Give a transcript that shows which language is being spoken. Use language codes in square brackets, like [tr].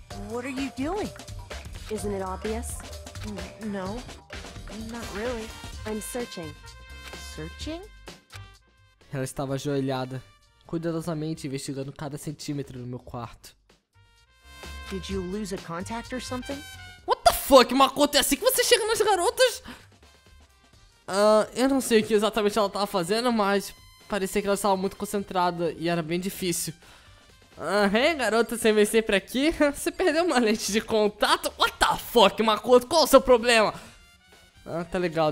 [en] What are you doing? Isn't it obvious? No, not really. I'm searching. Searching? [pt] Ela estava ajoelhada, cuidadosamente investigando cada centímetro do meu quarto. [en] Did you lose a contact or something? [pt] Fuck, Makoto, é assim que você chega nas garotas? Eu não sei o que exatamente ela tava fazendo, mas parecia que ela estava muito concentrada e era bem difícil. Hein, garota, você vem sempre aqui? Você perdeu uma lente de contato? What the fuck, Makoto, qual é o seu problema? Ah, tá legal.